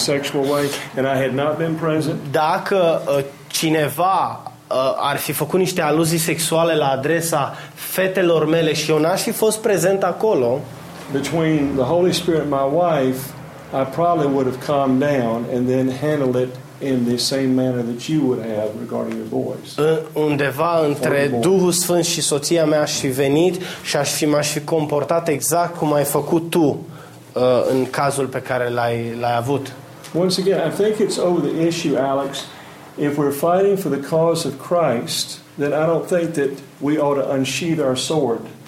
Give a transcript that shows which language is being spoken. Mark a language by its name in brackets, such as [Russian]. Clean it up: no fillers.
[English] in a sexual way and I had not been present, [Romanian] dacă cineva ar fi făcut niște aluzii sexuale la adresa fetelor mele și eu n-aș fi fost prezent acolo, [English] between the Holy Spirit and my wife, I probably would have calmed down and then handled it in the same manner that you would have regarding your boys. [Romanian] Undeva între Duhul Sfânt și soția mea aș fi venit și m-aș fi comportat exact cum ai făcut tu în cazul pe care l-ai avut. [English] Once again, I think it's over the issue, Alex. If we're fighting for the cause of Christ, then I don't think that we ought to unsheathe our sword.